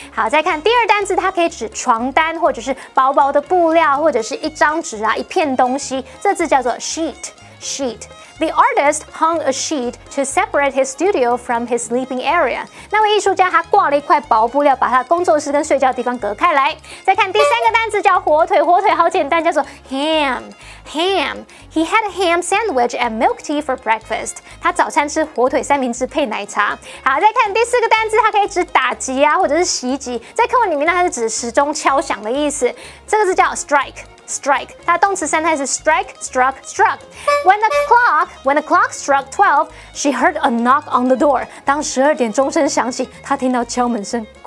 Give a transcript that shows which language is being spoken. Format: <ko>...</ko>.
<zh>好，再看第二单字，它可以指床单，或者是薄薄的布料，或者是一张纸啊，一片东西。这字叫做 sheet, sheet.</zh> <en>The artist hung a sheet to separate his studio from his sleeping area.</en> <zh>那位艺术家他挂了一块薄布料，把他的工作室跟睡觉的地方隔开来。再看第三个单词叫火腿，火腿好简单，叫做 ham。</zh> <en>Ham. He had a ham sandwich and milk tea for breakfast.</en> <zh>他早餐吃火腿三明治配奶茶。好，再看第四个单字，它可以指打击啊，或者是袭击。在课文里面呢，它是指时钟敲响的意思。这个字叫 strike。Strike. 它动词三态是 strike, struck, struck.</zh> <en>When the clock struck 12, she heard a knock on the door.</en> <zh>当十二点钟声响起，她听到敲门声。</zh>